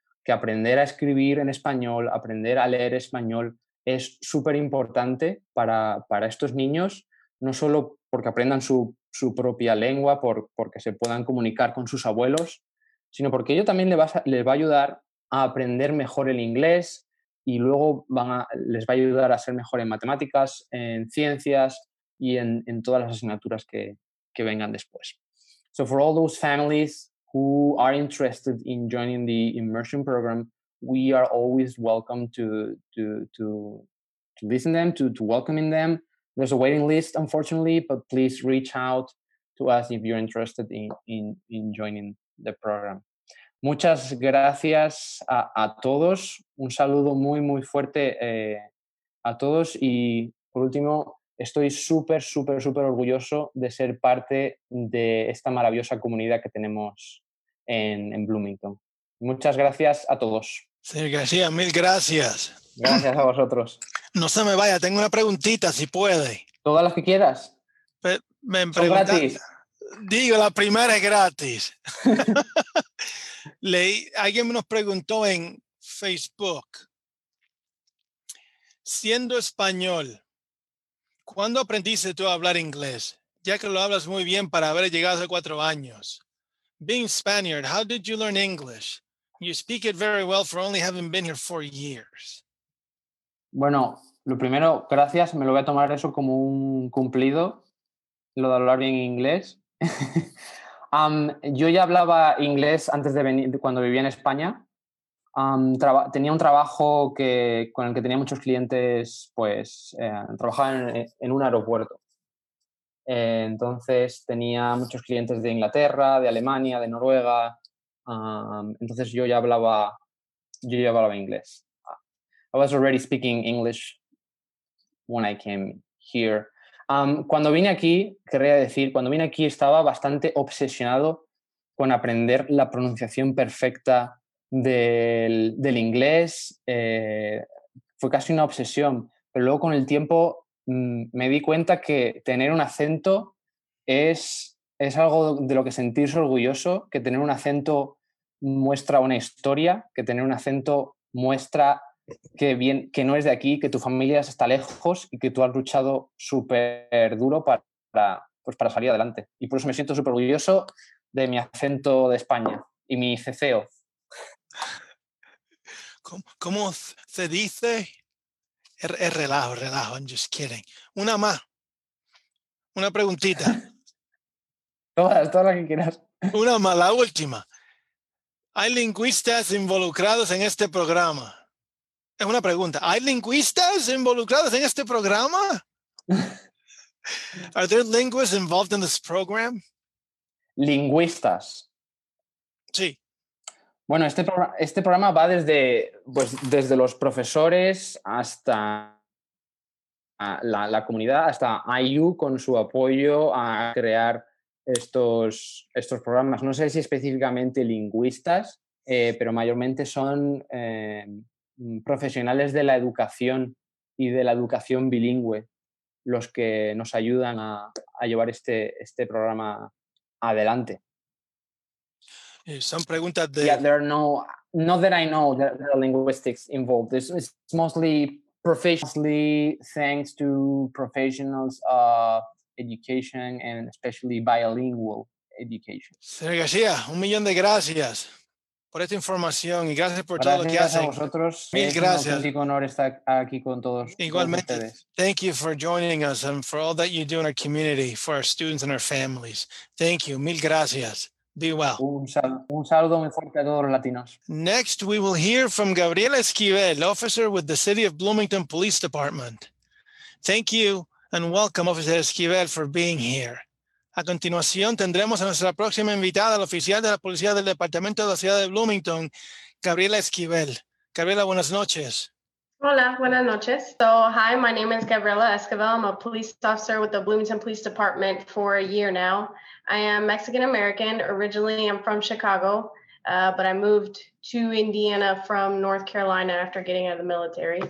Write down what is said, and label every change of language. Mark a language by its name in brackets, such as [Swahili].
[Spanish] Que aprender a escribir en español, aprender a leer español, es súper importante para estos niños, no solo porque aprendan su propia lengua, porque se puedan comunicar con sus abuelos, sino porque ello también les va a ayudar a aprender mejor el inglés y luego les va a ayudar a ser mejor en matemáticas, en ciencias y en todas las asignaturas que vengan después. [English] So for all those families who are interested in joining the immersion program, we are always welcome to listen to them, to welcoming them. There's a waiting list, unfortunately, but please reach out to us if you're interested in joining the program. [Spanish] Muchas gracias a todos. Un saludo muy, muy fuerte a todos. Y por último, estoy súper, súper, súper orgulloso de ser parte de esta maravillosa comunidad que tenemos en Bloomington. Muchas gracias a todos. Sí, García, mil gracias. Gracias a vosotros. No se me vaya, tengo una preguntita, si puede. Todas las que quieras. Me pregunta. Digo, la primera es gratis. Alguien nos preguntó en Facebook, siendo español, ¿cuándo aprendiste tú a hablar inglés? Ya que lo hablas muy bien para haber llegado a 4 años. [English] Being Spaniard, how did you learn English? You speak it very well for only having been here 4 years. [Spanish] Bueno, lo primero, gracias. Me lo voy a tomar eso como un cumplido, lo de hablar bien inglés. Yo ya hablaba inglés antes de venir, cuando vivía en España. Tenía un trabajo con el que tenía muchos clientes, pues trabajaba en un aeropuerto. Entonces tenía muchos clientes de Inglaterra, de Alemania, de Noruega. Entonces yo ya hablaba inglés. [English] I was already speaking English when I came here. [Spanish] Cuando vine aquí estaba bastante obsesionado con aprender la pronunciación perfecta del inglés. Fue casi una obsesión, pero luego con el tiempo me di cuenta que tener un acento es es algo de lo que sentirse orgulloso, que tener un acento muestra una historia, que tener un acento muestra que, bien, que no es de aquí, que tu familia está lejos y que tú has luchado súper duro para, pues para salir adelante. Y por eso me siento súper orgulloso de mi acento de España y mi ceceo. ¿Cómo se dice? Relajo, [English] I'm just kidding. [Spanish] Una más. Una preguntita. Todas las que quieras. Una más, la última. ¿Hay lingüistas involucrados en este programa? Es una pregunta. ¿Hay lingüistas involucrados en este programa? [English] Are there linguists involved in this program? [Spanish] Lingüistas. Sí. Bueno, este programa va desde, pues, desde los profesores hasta la comunidad, hasta IU con su apoyo a crear estos programas. No sé si específicamente lingüistas, pero mayormente son profesionales de la educación y de la educación bilingüe los que nos ayudan a llevar este programa adelante. [English] Some [Spanish] preguntas de... [English] Yeah, there are no, not that I know, that there are linguistics involved. It's mostly professionally, thanks to professionals of education and especially bilingual education. [Spanish] Señor García, un millón de gracias por esta información y gracias por gracias todo lo que hacen. A vosotros. Mil gracias. Es un auténtico honor estar aquí con todos. Igualmente. Ustedes. [English] Thank you for joining us and for all that you do in our community, for our students and our families. Thank you. [Spanish] Mil gracias. [English] Be well. [Spanish] Un saludo muy fuerte a todos los latinos. [English] Next, we will hear from Gabriel Esquivel, officer with the City of Bloomington Police Department. Thank you and welcome, Officer Esquivel, for being here. [Spanish] A continuación, tendremos a nuestra próxima invitada, la oficial de la Policía del Departamento de la Ciudad de Bloomington, Gabriela Esquivel. Gabriela, buenas noches. Hola, buenas noches. [English] So, hi, my name is Gabriela Esquivel. I'm a police officer with the Bloomington Police Department for a year now. I am Mexican-American. Originally, I'm from Chicago, but I moved to Indiana from North Carolina after getting out of the military.